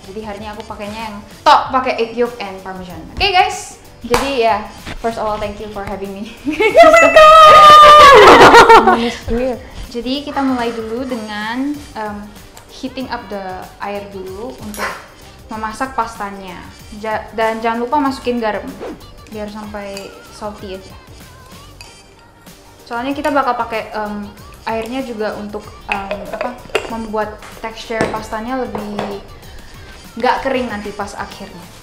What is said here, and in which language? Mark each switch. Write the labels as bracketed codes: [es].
[id] Jadi hari ini aku pakainya yang top, pakai [en] egg yolk and parmesan. Oke okay, guys. Jadi ya, yeah, first of all thank you for having me. Oh my god. [id] Jadi kita mulai dulu dengan [en] heating up the air [id] dulu untuk memasak pastanya. Dan jangan lupa masukin garam biar sampai salty aja. Soalnya kita bakal pakai airnya juga untuk membuat tekstur pastanya lebih nggak kering nanti pas akhirnya.